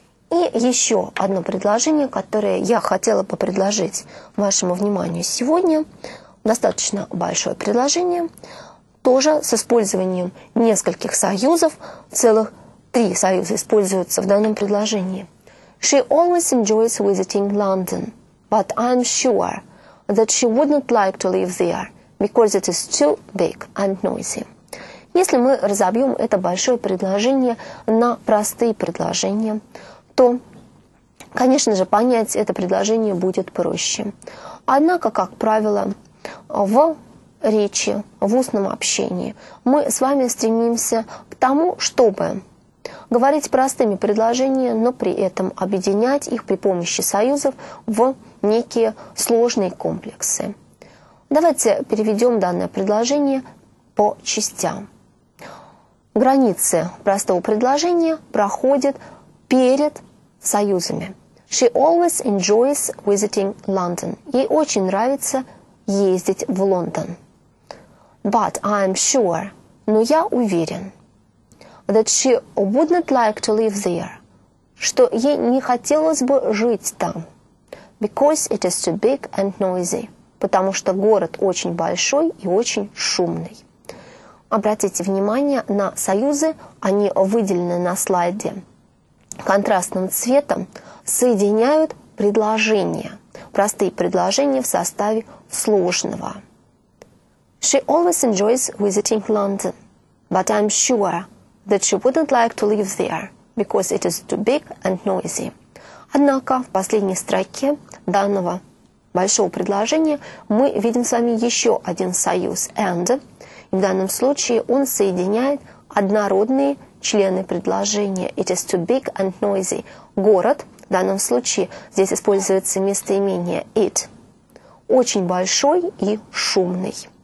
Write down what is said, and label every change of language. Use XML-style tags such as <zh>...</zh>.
<ru>И еще одно предложение, которое я хотела бы предложить вашему вниманию сегодня. Достаточно большое предложение. Тоже с использованием нескольких союзов, целых три союза используются в данном предложении.</ru> <en>She always enjoys visiting London, but I'm sure that she wouldn't like to live there because it is too big and noisy.</en> <ru>Если мы разобьем это большое предложение на простые предложения, то, конечно же, понять это предложение будет проще. Однако, как правило, в речи, в устном общении мы с вами стремимся к тому, чтобы говорить простыми предложениями, но при этом объединять их при помощи союзов в некие сложные комплексы. Давайте переведем данное предложение по частям. Границы простого предложения проходят перед союзами.</ru> <en>She always enjoys visiting London.</en> <ru>Ей очень нравится ездить в Лондон.</ru> <en>But I'm sure,</en> <ru>но я уверен,</ru> <en>that she would not like to live there,</en> <ru>что ей не хотелось бы жить там.</ru> <en>Because it is too big and noisy.</en> <ru>Потому что город очень большой и очень шумный. Обратите внимание на союзы, они выделены на слайде. Контрастным цветом соединяют предложения. Простые предложения в составе сложного.</ru> <en>She always enjoys visiting London, but I'm sure that she wouldn't like to live there, because it is too big and noisy.</en> <ru>Однако в последней строке данного большого предложения мы видим с вами еще один союз and, и в данном случае он соединяет однородные члены предложения.</ru> <en>It is too big and noisy.</en> <ru>Город, в данном случае здесь используется местоимение it, очень большой и шумный.</ru>